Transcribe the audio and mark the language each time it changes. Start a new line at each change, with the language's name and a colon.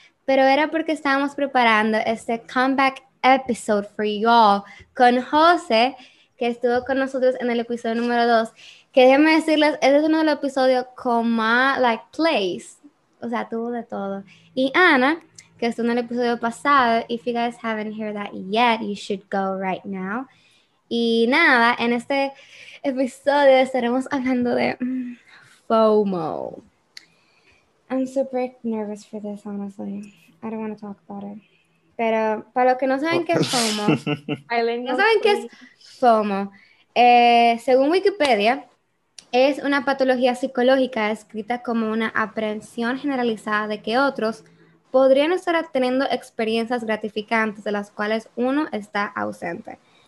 Spanish: Pero era porque estábamos preparando este
English: comeback episode for y'all
Spanish: con José, que estuvo con nosotros en el episodio número 2, que déjenme decirles, ese es uno de los episodios con más, like, plays. O sea, tuvo de todo. Y Ana, que estuvo en el episodio pasado,
English: if you guys haven't heard that yet, you should go right now.
Spanish: Y nada, en este episodio estaremos hablando de FOMO.
English: I'm super nervous for this, honestly. I don't want to talk about it.
Spanish: Pero para los que no saben qué es FOMO, no saben qué es FOMO, según Wikipedia, es una patología psicológica descrita como una aprehensión generalizada de que otros podrían estar teniendo experiencias gratificantes de las cuales uno está ausente.